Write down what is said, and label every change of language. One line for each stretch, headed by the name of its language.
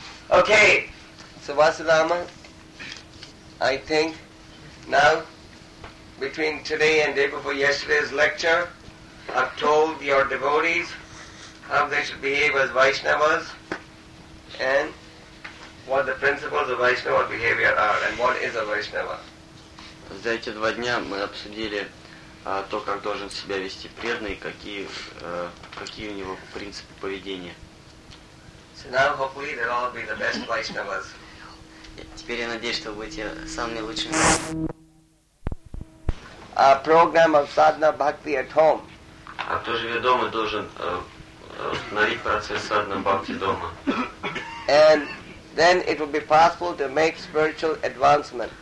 English: Okay, so Vasudama, I think now between today and day before yesterday's lecture, I've told your devotees how they should behave as Vaishnavas and what the principles of Vaishnava behavior are and what is a Vaishnava.
Russian: За эти два дня мы обсудили то, как должен себя вести преданный, какие у него принципы поведения.
English: So now hopefully they'll all be the best Vaishnavas.
Russian: Теперь я надеюсь, что вы будете самыми лучшими.
English: A program of sadhana bhakti at home.
Russian: А кто живет дома, должен установить процесс sadhana bhakti дома.
English: And then it will be possible to make spiritual advancement.